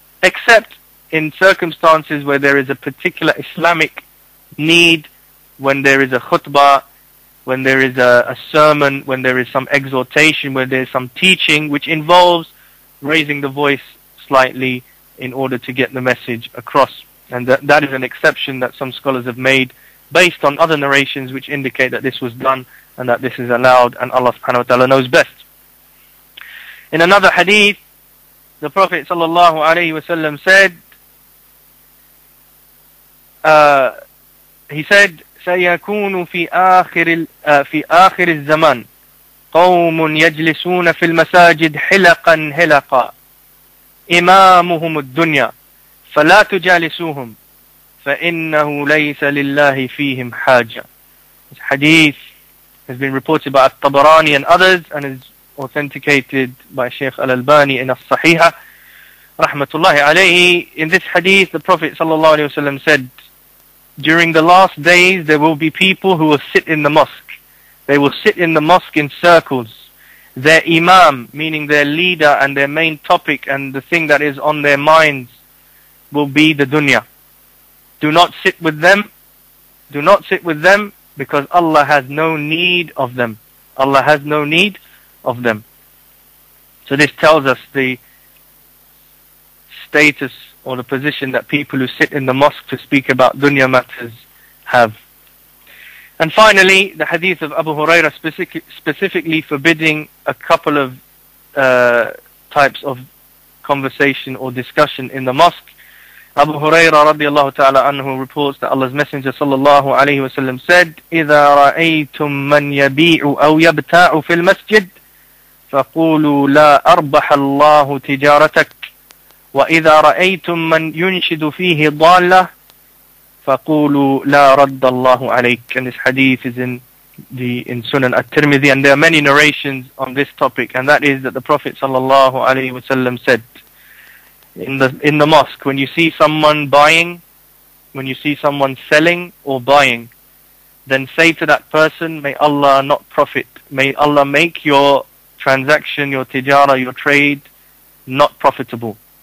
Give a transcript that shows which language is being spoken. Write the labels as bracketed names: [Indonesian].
[English] Except in circumstances where there is a particular Islamic need, when there is a khutbah, when there is a sermon, when there is some exhortation, when there is some teaching, which involves raising the voice slightly in order to get the message across. And that is an exception that some scholars have made based on other narrations which indicate that this was done and that this is allowed, and Allah subhanahu wa ta'ala knows best. In another hadith, the Prophet sallallahu alayhi wa sallam said, he said, [Arabic] سَيَكُونُ فِي آخِرِ الزَّمَنِ قَوْمٌ يَجْلِسُونَ فِي الْمَسَاجِدِ حِلَقًا حِلَقًا إمامهم الدنيا فلا تجالسوهم فإنه ليس لله فيهم حاجة. [English] This hadith has been reported by At-Tabarani and others and is authenticated by Sheikh Al-Albani in As-Sahiha rahmatullahi alayhi. In this hadith, the Prophet sallallahu alayhi wasallam said, during the last days there will be people who will sit in the mosque. They will sit in the mosque in circles. Their imam, meaning their leader and their main topic and the thing that is on their minds, will be the dunya. Do not sit with them. Do not sit with them, because Allah has no need of them. Allah has no need of them. So this tells us the status or the position that people who sit in the mosque to speak about dunya matters have. And finally, the hadith of Abu Hurairah specifically forbidding a couple of types of conversation or discussion in the mosque. Abu Hurairah radiallahu ta'ala anhu reports that Allah's Messenger sallallahu alayhi wa sallam said, [Arabic] إِذَا رَأَيْتُم مَّن يَبِيعُ أَوْ يَبْتَاعُ فِي الْمَسْجِدِ فَقُولُوا لَا أَرْبَحَ اللَّهُ تِجَارَتَكَ وَإِذَا رَأَيْتُم مَّن يُنْشِدُ فِيهِ ضَالَّةِ فَقُولُوا لَا رَدَّ اللَّهُ عَلَيْكَ. [English] And this hadith is in Sunan At-Tirmidhi, and there are many narrations on this topic, and that is that the Prophet sallallahu alayhi wa sallam said, in the mosque, when you see someone buying, when you see someone selling or buying, then say to that person, may Allah not profit, may Allah make your transaction, your tijara, your trade, not profitable.